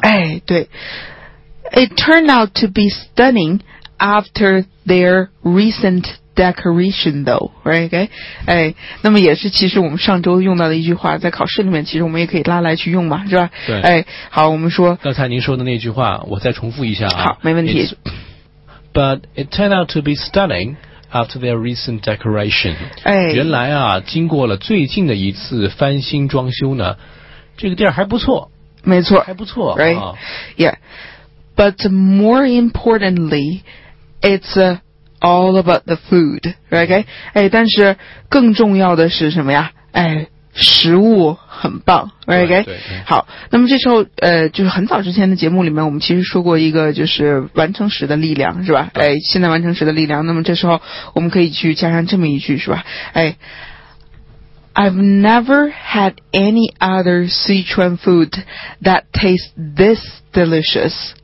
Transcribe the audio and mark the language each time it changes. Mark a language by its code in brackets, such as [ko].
[en] 哎，对， It turned out to be stunning after their recentDecoration though, right? Okay. [zh] 哎，那么也是其实我们上周用到的一句话，在考试里面其实我们也可以拉来去用嘛，是吧？对。哎，好，我们说。刚才您说的那句话，我再重复一下啊。好，没问题。 [en] But it turned out to be stunning after their recent decoration. 哎， [zh] 原来啊，经过了最近的一次翻新装修呢，这个地儿还不错。没错。还不错。 [en] Right. Yeah. But more importantly, it's a. All about the food, right? [zh] 哎，但是更重要的是什么呀？哎，食物很棒， right? 好，那么这时候就是很早之前的节目里面，我们其实说过一个就是完成时的力量，是吧？哎，现在完成时的力量，那么这时候我们可以去加上这么一句，是吧？ [en] 哎 ，I've never had any other Sichuan food that tastes this delicious.